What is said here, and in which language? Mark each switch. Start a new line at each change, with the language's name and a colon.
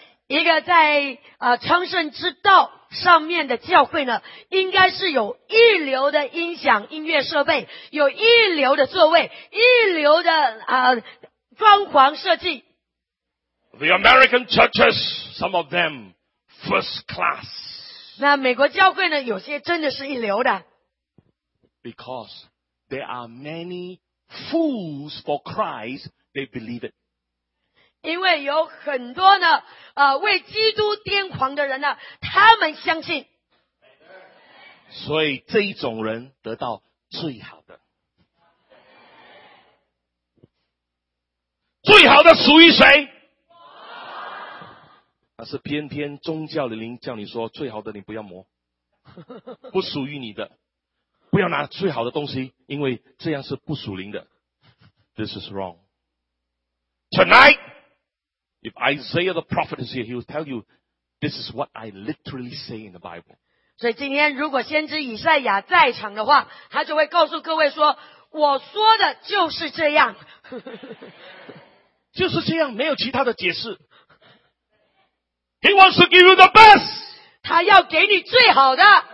Chinese: 一个在昌盛之道上面的教会呢，应该是有一流的音响音乐设备，有一流的座位，一流的装潢设计。
English: The American churches, some of them, first class.
Chinese: 那美国教会呢，有些真的是一流的。
English: Because there are many. Fools for Christ, they believe it.
Chinese: 因为有很多呢，为基督癫狂的人呢，他们相信。所以这一种人得到最好的，最好的属于谁？那是偏偏宗教的灵叫你说最好的你不要摸，不属于你的，不要拿最好的东西，因为这样是不属灵的。
English: This is wrong. Tonight, if Isaiah the prophet is here, he will tell you, this is what I literally say in the Bible.
Chinese: 所以今天如果先知以赛亚在场的话，他就会告诉各位说，我说的就是这样。就是这样，没有其他的解释。
English: He wants to give you the best.
Chinese: 他要给你最好的。